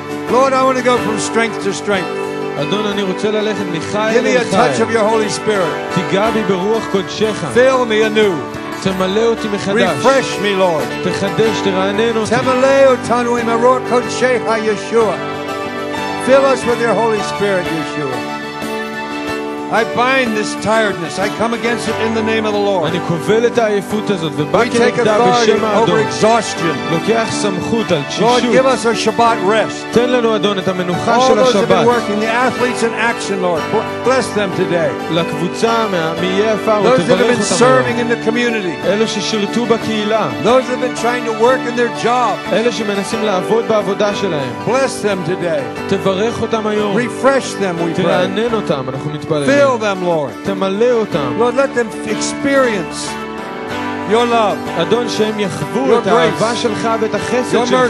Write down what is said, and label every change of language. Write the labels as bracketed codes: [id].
[en] Lord, I want to go from strength to strength. [he] אדון, אני רוצה ללכת מחיל לחיל. [en] Give me a touch of your Holy Spirit. [he] תיגע בי ברוח קודשך. [en] Fill me anew. [he] תמלא אותי מחדש. [en] Refresh me, Lord. [he] תחדש, תרענן אותי. תמלא אותנו עם הרוח קודשך, ישועה. [en] Fill us with your Holy Spirit, ישועה. I bind this tiredness. I come against it in the name of the Lord. [he] אני קובל את העייפות הזאת ובאתי נגדה בשם האדון. [en] Over exhaustion. [he] לוקח סמכות על תשישות. [en] Lord, give us a Shabbat rest. [he] תן לנו אדון את המנוחה של השבת. [en] All those who are working, the athletes in action, Lord, bless them today. [he] לקבוצה מהמייפה ותברך [en] אותם. Those that have been serving in the community. [he] אלה ששירתו בקהילה. [en] Those that have been trying to work in their job. [he] אלה שמנסים לעבוד בעבודה שלהם. [en] Bless them today. [he] תברך אותם היום. [en] Refresh them, we pray. [he] תרענן אותם, אנחנו מתפללים. [en] Fill them, Lord. [he] תמלא אותם. [en] Lord, let them experience your love. [he] אדון, שהם יחוו את האהבה שלך ואת החסד שלך.